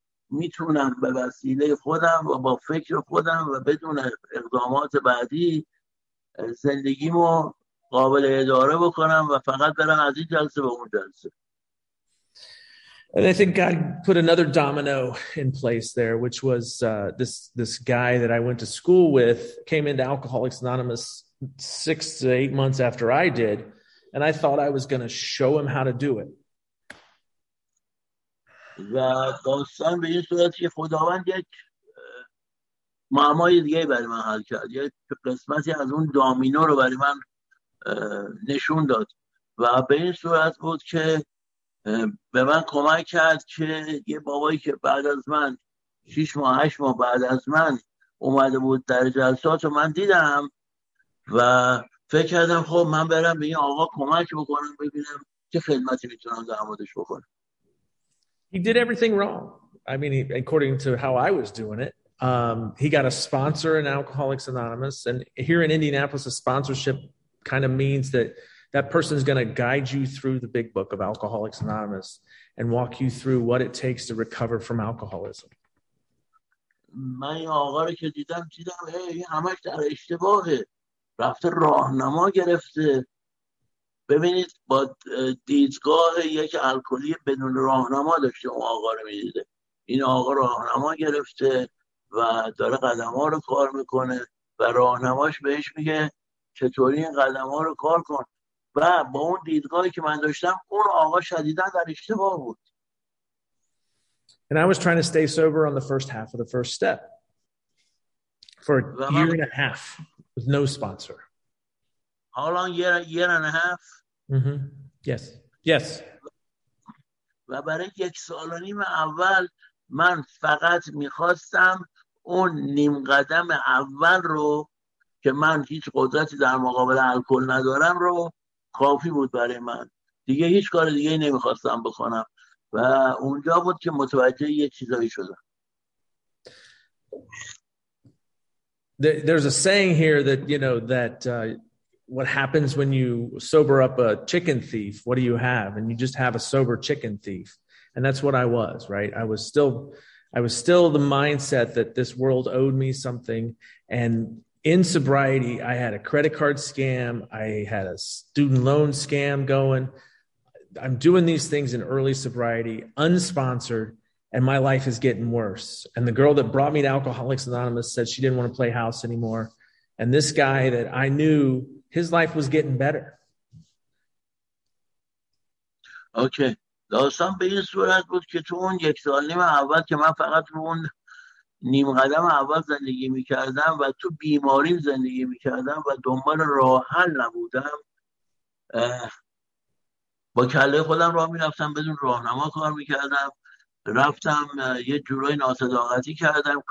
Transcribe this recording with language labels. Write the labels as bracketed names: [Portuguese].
[Persian] میتونم به وسیله خودم و با فکر خودم و بدون اقدامات بعدی زندگیمو قابل اداره بکنم و فقط برم از این جلسه به اون جلسه. [English] And I think God put another domino in place there, which was this guy that I went to school with came into Alcoholics Anonymous 6 to 8 months after I did, and I thought I was going to show him how to do it. [Persian] و داستان به این صورت که خداوند یک معمای دیگه برای من حل کرد، یک قسمتی از اون دامینو رو برای من نشون داد و به این صورت بود که به من کمک کرد که یه بابایی که بعد از من 6 ماه 8 ماه بعد از من اومده بود در جلسات رو من دیدم و فکر کردم خب من برم به این آقا کمک بکنم ببینم چه خدمتی میتونم در موردش بکنم. [English] He did everything wrong. I mean, according to how I was doing it, he got a sponsor in Alcoholics Anonymous. And here in Indianapolis, a sponsorship kind of means that that person is going to guide you through the big book of Alcoholics Anonymous and walk you through what it takes to recover from alcoholism. [Persian] من آقا رو که دیدم این همش در اشتباهه. رفته راهنما گرفته. ببینید با دیدگاه یک الکلی بدون راهنما داشته اون آقا رو میدیده. این آقا راهنما گرفته و داره قدم ها رو کار میکنه و راهنماش بهش میگه چطوری این قدم ها رو کار کن و با اون دیدگاهی که من داشتم اون آقا شدیداً در اشتباه بود. [English] And I was trying to stay sober on the first half of the first step for a year and a half with no sponsor. How long? Year and a half? Yes. [Persian] و برای یک سال و نیم اول من فقط میخواستم اون نیم قدم اول رو که من هیچ قدرتی در مقابل الکل ندارم رو کافی بود برای من. دیگه هیچ کار دیگه نمیخواستم بکنم و اونجا بود که متوجه یه چیزایی شدم. [English] There's a saying here that, you know, that what happens when you sober up a chicken thief, what do you have? And you just have a sober chicken thief. And that's what I was, right? I was still the mindset that this world owed me something. And in sobriety, I had a credit card scam. I had a student loan scam going. I'm doing these things in early sobriety, unsponsored, and my life is getting worse. And the girl that brought me to Alcoholics Anonymous said she didn't want to play house anymore. And this guy that I knew, his life was getting better. Okay. [Persian] داستان به این صورت بود که تو اون یک سال نیم اول که من فقط رو اون نیم قدم اول زندگی میکردم و تو بیماری زندگی میکردم و دنبال راه حل نبودم. با کله خودم راه میرفتم بدون راهنما کار میکردم. رفتم یه جورای ناصداقتی کردم.